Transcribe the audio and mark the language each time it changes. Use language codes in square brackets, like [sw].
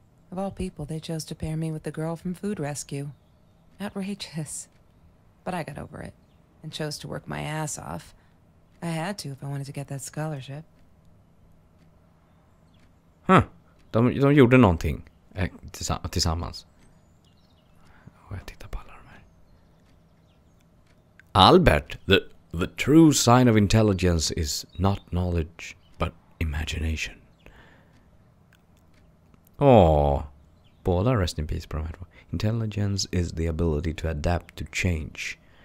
[en] Of all people, they chose to pair me with the girl from Food Rescue. Outrageous. But I got over it and chose to work my ass off. I had to if I wanted to get that scholarship. Huh. [sv] De gjorde någonting tillsammans. Och jag tittar på alla de här. [en] Albert, The true sign of intelligence is not knowledge, but imagination. [sv] Åh, båda [en] rest in peace [sv] på de här två. [en] Intelligence is the ability to adapt to change.